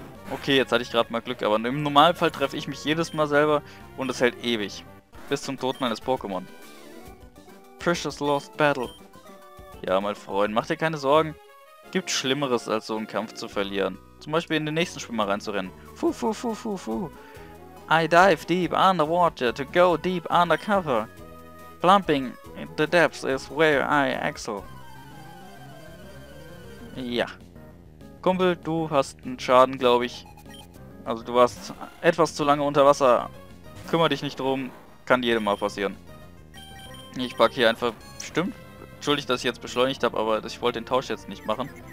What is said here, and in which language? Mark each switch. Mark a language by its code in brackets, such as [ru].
[de] Okay, jetzt hatte ich gerade mal Glück, aber im Normalfall treffe ich mich jedes Mal selber und es hält ewig. Bis zum Tod meines Pokémon. [en] Precious Lost Battle. [de] Ja, mein Freund, mach dir keine Sorgen. Gibt Schlimmeres, als so einen Kampf zu verlieren. Zum Beispiel in den nächsten Schwimmer reinzurennen. Fu, fu, fu, fu, fu. [en] I dive deep underwater to go deep undercover. Plumping in the depths is where I excel. [de] Ja. Kumpel, du hast einen Schaden, glaube ich. Also du warst etwas zu lange unter Wasser. Kümmer dich nicht drum. Kann jedem mal passieren. Ich packe hier einfach... Stimmt. Entschuldigt, dass ich jetzt beschleunigt habe, aber ich wollte den Tausch jetzt nicht machen.